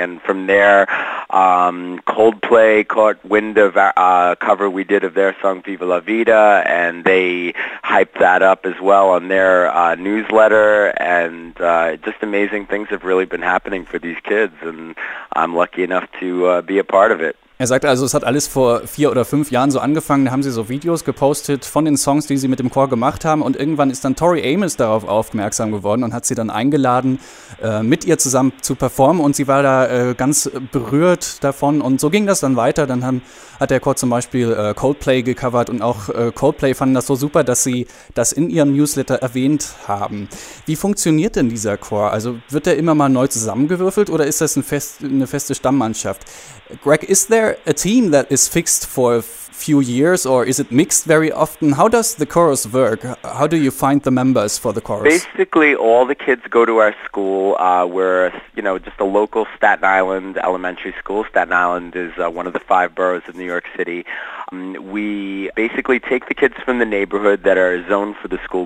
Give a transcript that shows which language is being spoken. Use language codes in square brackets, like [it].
[en] And from there, Coldplay caught wind of a cover we did of their song Viva La Vida, and they hyped that up as well on their newsletter. And just amazing things have really been happening for these kids, and I'm lucky enough to be a part of it. [de] Er sagte also, es hat alles vor 4 oder 5 Jahren so angefangen, da haben sie so Videos gepostet von den Songs, die sie mit dem Chor gemacht haben, und irgendwann ist dann Tori Amos darauf aufmerksam geworden und hat sie dann eingeladen, mit ihr zusammen zu performen, und sie war da ganz berührt davon, und so ging das dann weiter. Dann hat der Chor zum Beispiel Coldplay gecovert, und auch Coldplay fanden das so super, dass sie das in ihrem Newsletter erwähnt haben. Wie funktioniert denn dieser Chor? Also wird der immer mal neu zusammengewürfelt oder ist das eine feste Stammmannschaft? [en] Greg, ist there a team that is fixed for a few years, or is it mixed very often? How does the chorus work? How do you find the members for the chorus? Basically, all the kids go to our school. We're, you know, just a local Staten Island elementary school. Staten Island is one of the 5 boroughs of New York City. We basically take the kids from the neighborhood that are zoned for the school.